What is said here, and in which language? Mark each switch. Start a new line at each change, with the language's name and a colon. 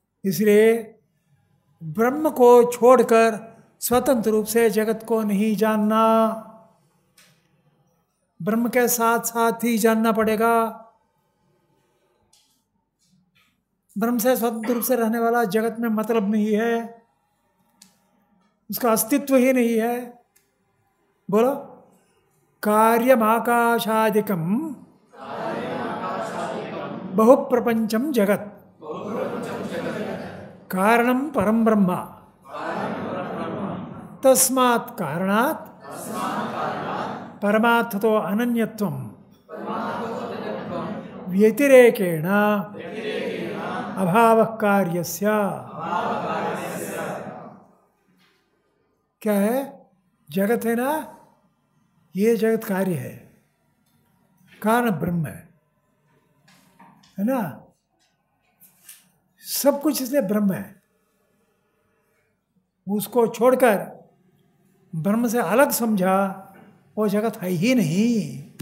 Hindi: इसलिए ब्रह्म को छोड़कर स्वतंत्र रूप से जगत को नहीं जानना, ब्रह्म के साथ साथ ही जानना पड़ेगा। ब्रह्म से स्वतंत्र रूप से रहने वाला जगत में मतलब नहीं है, उसका अस्तित्व ही नहीं है।
Sanskrit: बोलो कार्यमाकाशादिकम् बहुप्रपंचम् जगत् कारणम् परम ब्रह्म तस्मात् कारणात् परमार्थतो अनन्यत्वम् व्यतिरेकेण अभाव कार्यस्य।
Hindi: क्या है जगत है ना, ये जगत कार्य है, कारण ब्रह्म है ना, सब कुछ इसलिए ब्रह्म है, उसको छोड़कर ब्रह्म से अलग समझा वो जगत है ही नहीं।